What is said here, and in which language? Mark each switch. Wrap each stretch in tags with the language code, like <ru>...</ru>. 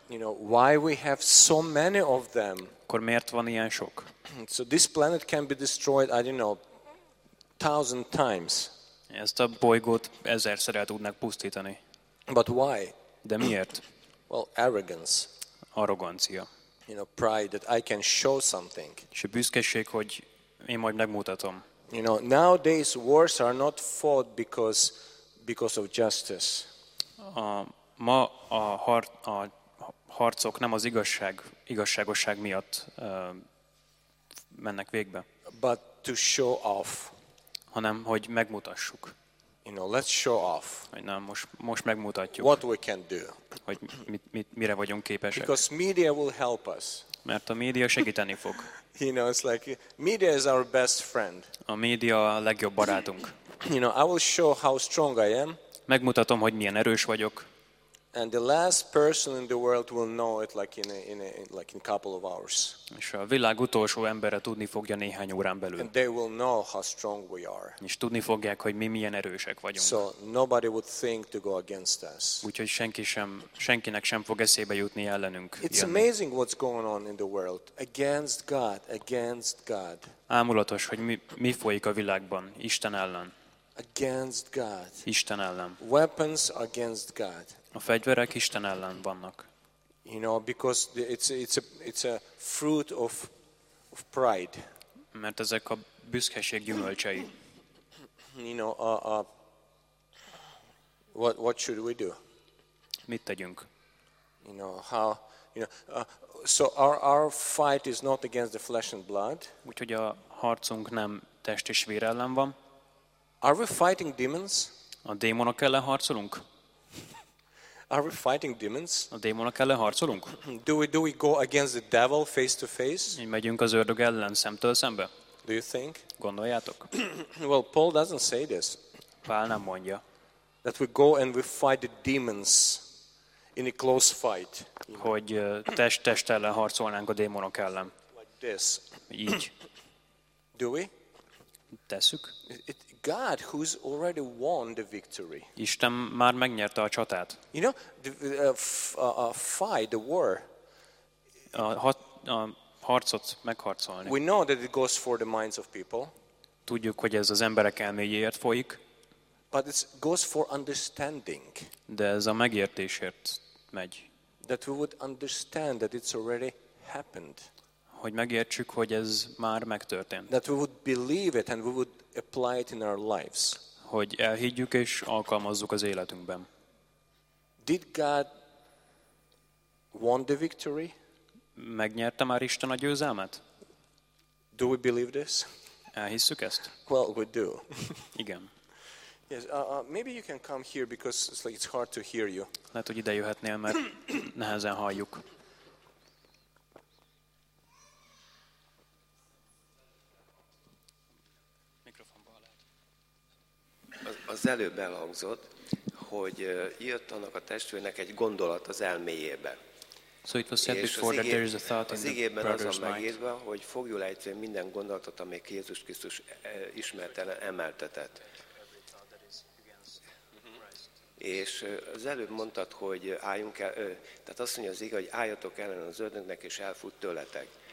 <en>You know, why we have so many of them?</en> <hu>Akkor miért van ilyen sok?</hu> <en>So this planet can be destroyed, I don't know, 1,000 times.</en> <hu>Ezt a bolygót ezerszer el tudnak pusztítani.</hu> <en>But why?</en> <hu>De miért?</hu> <en>Well, arrogance.</en> <hu>Arrogancia.</hu> <en>You know, pride that I can show something.</en> <hu>És a büszkeség, hogy én majd megmutatom.</hu> <en>You know, nowadays wars are not fought because of justice.</en> <hu>Ma a harcok nem az igazságosság miatt mennek végbe.</hu> <en>But to show off.</en> <hu>Hanem hogy megmutassuk.</hu> <en>You know, let's show off.</en> <hu>Na, most megmutatjuk.</hu> <en>What we can do.</en> <hu>Hogy mire vagyunk képesek.</hu> <en>Because media will help us.</en> <hu>Mert a média segíteni fog.</hu> <en>You know, it's like media is our best friend.</en> <hu>A média a legjobb barátunk.</hu> <en>You know, I will show how strong I am.</en> <hu>Megmutatom, hogy milyen erős vagyok.</hu> <en>And the last person in the world will know it like in a couple of hours.</en> <hu>És a világ utolsó embere tudni fogja néhány órán belül.</hu> <en>And they will know how strong we are.</en> <hu>És tudni fogják, hogy mi milyen erősek vagyunk.</hu> <en>So nobody would think to go against us.</en> <hu>Úgyhogy senkinek sem fog eszébe jutni ellenünk.</hu> <en>It's amazing what's going on in the world against God, against God.</en> <hu>Ámulatos, hogy mi folyik a világban Isten ellen.</hu> <en>Against God.</en> <hu>Isten ellen.</hu> <en>Weapons against God.</en> <hu>A fegyverek Isten ellen vannak.</hu> <en>You know, because it's a fruit of pride.</en> <hu>Mert ezek a büszkeség gyümölcsei.</hu> <en>You know, what should we do?</en> <hu>Mit tegyünk?</hu> <en>You know, so our fight is not against the flesh and blood.</en> <hu>Úgyhogy a harcunk nem test és vér ellen van.</hu> <en>Are we fighting demons?</en> <hu>A démonok ellen harcolunk?</hu> <en>Are we fighting demons?</en> <hu>A démonok ellen harcolunk?</hu> <en>Do we go against the devil face to face?</en> <hu>Mi megyünk az ördög ellen szemtől szembe?</hu> <en>Do you think?</en> <hu>Gondoljátok?</hu> <en>Well, Paul doesn't say this.</en> <hu>Pál nem mondja.</hu> <en>That we go and we fight the demons in a close fight.</en> <hu>Hogy test ellen harcolnánk a démonok ellen.</hu> <en>Like this.</en> <hu>Így.</hu> <en>Do we?</en> <hu>Tesszük.</hu> <en>God who's already won the victory.</en> <hu>Isten már megnyerte a csatát.</hu> <en>You know, the fight, the war.</en> <hu>A harcot megharcolni.</hu> <en>We know that it goes for the minds of people.</en> <hu>Tudjuk, hogy ez az emberek elméjéért folyik.</hu> <en>But it goes for understanding.</en> <hu>De ez a megértésért megy.</hu> <en>That we would understand that it's already happened.</en> <hu>Hogy megértsük, hogy ez már megtörtént.</hu> <en>That we would believe it and we would apply it in our lives.</en> <hu>Hogy elhiggyük és alkalmazzuk az életünkben.</hu> <en>Did God won the victory?</en> <hu>Megnyerte már Isten a győzelmet?</hu> <en>Do we believe this?</en> <hu>Elhisszük ezt?</hu> <en>Well, we do.</en> <hu>Igen.</hu> <en>Yes, maybe you can come here because it's like it's hard to hear you.</en> <hu>Lehet, hogy ide jöhetnél, mert nehezen halljuk. Az előbb elhangzott, hogy jött annak a testvérnek egy gondolat az elméjébe.</hu> <en>So it was said before that there is a thought in the brother's</en> <hu>mind. Az igében az a megírva, hogy fogjul ejtve minden gondolatot, amely Jézus Krisztus ismertelen emeltetett. És az előbb mondtad, hogy álljunk el, tehát azt mondja az ige, hogy álljatok ellen az ördögnek, és elfut tőletek.</hu>